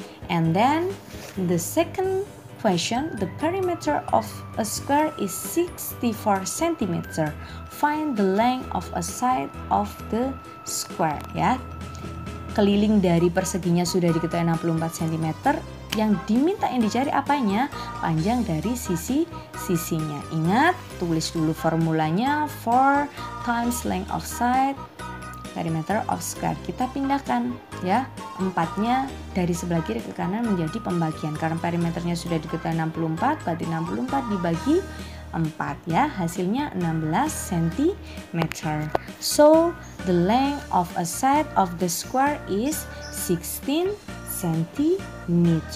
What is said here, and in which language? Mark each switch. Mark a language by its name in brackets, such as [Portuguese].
[English] And then the second question, the perimeter of a square is 64 cm. Find the length of a side of the square ya. [Indonesian] Keliling dari perseginya sudah diketahui 64 cm. Yang diminta yang dicari apanya? Panjang dari sisinya. Ingat, tulis dulu formulanya, [English] 4 times length of side perimeter of square. [Indonesian] Kita pindahkan ya, empatnya dari sebelah kiri ke kanan menjadi pembagian. Karena perimeternya sudah diketahui 64, berarti 64 dibagi 4 ya, hasilnya 16 cm. [English] So the length of a side of the square is 16 cm.